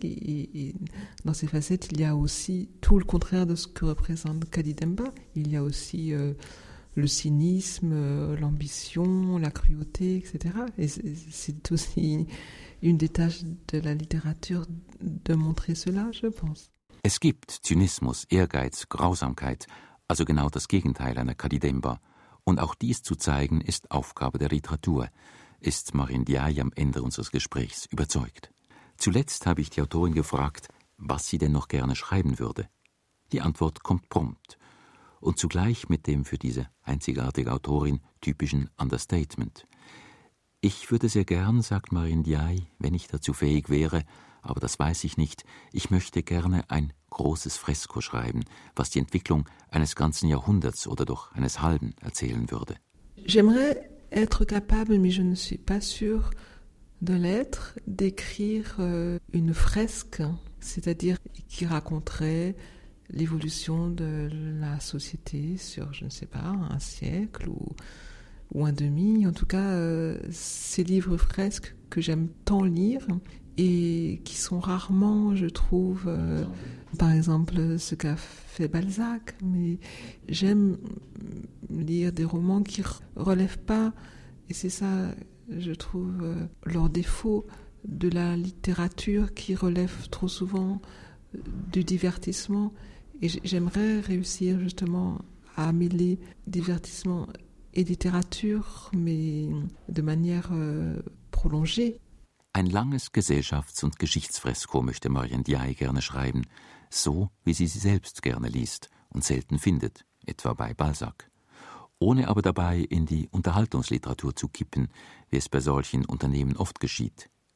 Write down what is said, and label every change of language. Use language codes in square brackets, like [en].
[fr] Et dans ces facettes, il y a aussi tout le contraire de ce que représente Kadidemba. Il y a aussi le cynisme, l'ambition, la cruauté, etc. Et c'est aussi une des tâches de la littérature de montrer cela, je pense. [de] Es gibt Zynismus, Ehrgeiz, Grausamkeit, also genau das Gegenteil einer Kadidemba. Und auch dies zu zeigen, ist Aufgabe der Literatur, ist Marin Diay am Ende unseres Gesprächs überzeugt. Zuletzt habe ich die Autorin gefragt, was sie denn noch gerne schreiben würde. Die Antwort kommt prompt und zugleich mit dem für diese einzigartige Autorin typischen Understatement. Ich würde sehr gern, sagt Marin Diay, wenn ich dazu fähig wäre, aber das weiß ich nicht, ich möchte gerne ein großes Fresko schreiben, was die Entwicklung eines ganzen Jahrhunderts oder doch eines halben erzählen würde. [fr] J'aimerais être capable, mais je ne suis pas sûr de l'être, d'écrire une fresque, c'est-à-dire qui raconterait l'évolution de la société sur, je ne sais pas, un siècle ou un demi. En tout cas, ces livres fresques que j'aime tant lire et qui sont rarement, je trouve, par exemple, ce qu'a fait Balzac. Mais j'aime lire des romans qui relèvent pas, et c'est ça, je trouve, leur défaut, de la littérature qui relève trop souvent du divertissement. Et j'aimerais réussir justement à mêler divertissement et littérature, mais de manière prolongée. [de] Ein langes Gesellschafts- und Geschichtsfresko möchte Marin Diay gerne schreiben, so wie sie sie selbst gerne liest und selten findet, etwa bei Balzac. Ohne aber dabei in die Unterhaltungsliteratur zu kippen, wie es bei solchen Unternehmen oft geschieht.